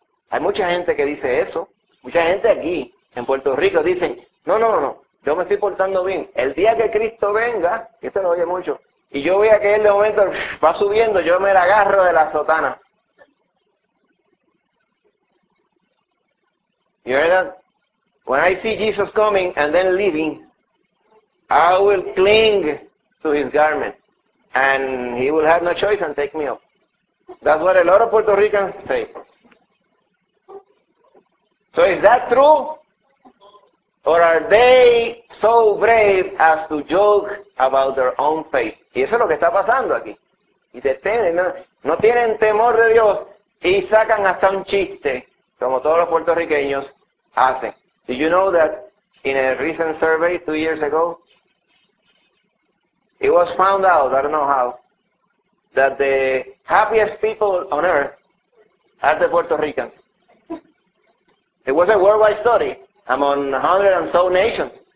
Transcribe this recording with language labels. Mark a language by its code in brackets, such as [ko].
[es] Hay mucha gente que dice eso. Mucha gente aquí en Puerto Rico dicen, no, yo me estoy portando bien. El día que Cristo venga, que esto lo oye mucho, y yo vea que él de momento va subiendo, yo me la agarro de la sotana. [en] You hear that? When I see Jesus coming and then leaving, I will cling to his garment. And he will have no choice and take me up. That's what a lot of Puerto Ricans say. So is that true? Or are they so brave as to joke about their own faith? [es] Y eso es lo que está pasando aquí. Y no tienen temor de Dios y sacan hasta un chiste, como todos los puertorriqueños hacen. [en] Did you know that in a recent survey 2 years ago, it was found out, I don't know how, that the happiest people on earth are the Puerto Ricans. It was a worldwide study among 100 and so nations.